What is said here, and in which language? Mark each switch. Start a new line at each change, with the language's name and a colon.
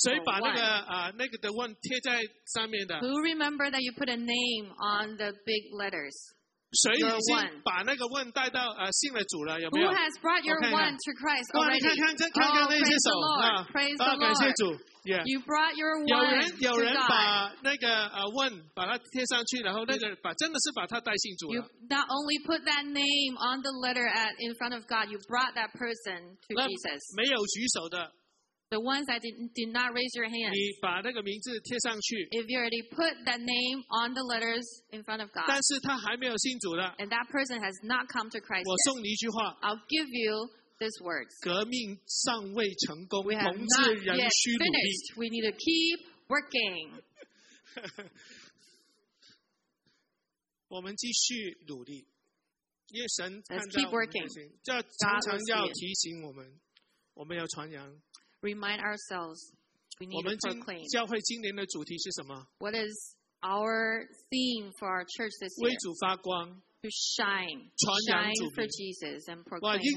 Chinese: 谁把那个那个的 one 贴在上面的
English: Who remember that you put a name on the big letters?
Chinese: 谁已经把那个 one 带到信了主了有没有
English: Who has brought your one to Christ already?
Chinese: 看看那些手啊！
English: Praise the Lord.
Chinese: 感谢主。
English: Yeah. You brought your one.
Chinese: 有人把那个one 把它贴上去，然后那个把真的是把它带信主了。
English: You not only put that name on the letter at in front of God, you brought that person to Jesus.
Chinese: 没有举手的。
English: The ones that did not raise your hand.
Chinese: 你把那个名字贴上去。
English: If you already put that name on the letters in front of God.
Chinese: 但是他还没有信主的。
English: And that person has not come to Christ.
Chinese: 我送你一句话。
English: I'll give you. This works.
Chinese: 革命尚未成功，
English: we have
Chinese: 同志仍需努力。
English: Finished. We need to keep working.
Chinese: 我们继续努力，因为神看到我们。
English: Keep working.
Chinese: 这常常要提醒我们，我们要传扬。
English: Remind ourselves. We need to proclaim.
Chinese: 教会今年的主题是什么
English: ？What is our theme for our church this year?
Chinese: 为主发光。
English: To shine, shine for Jesus and proclaim His name.